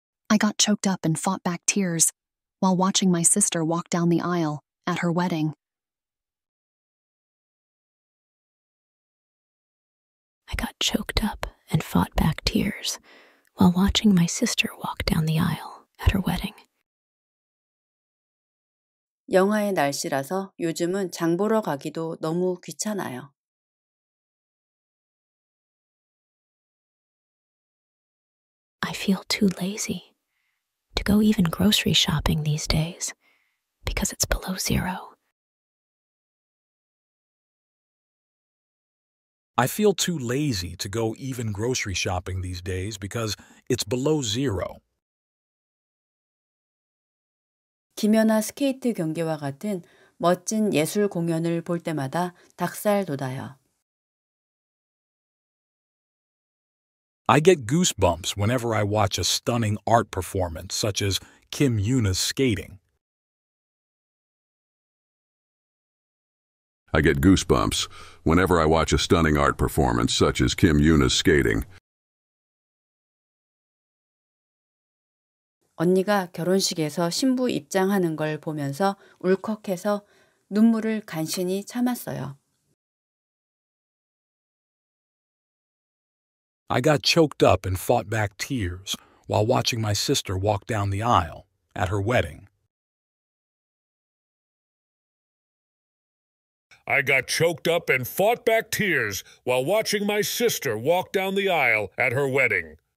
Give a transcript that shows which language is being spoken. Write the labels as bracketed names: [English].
[English] I got choked up and fought back tears while watching my sister walk down the aisle at her wedding. I got choked up and fought back tears while watching my sister walk down the aisle at her wedding. [Korean] 영하의 날씨라서 요즘은 장 보러 가기도 너무 귀찮아요. [English] I feel too lazy to go even grocery shopping these days because it's below zero. I feel too lazy to go even grocery shopping these days because it's below zero. [Korean] 김연아 스케이트 경기와 같은 멋진 예술 공연을 볼 때마다 닭살 돋아요. [English] I get goosebumps whenever I watch a stunning art performance such as Kim Yuna's skating. I get goosebumps whenever I watch a stunning art performance such as Kim Yuna's skating. [Korean] 언니가 결혼식에서 신부 입장하는 걸 보면서 울컥해서 눈물을 간신히 참았어요. [English] I got choked up and fought back tears while watching my sister walk down the aisle at her wedding. I got choked up and fought back tears while watching my sister walk down the aisle at her wedding.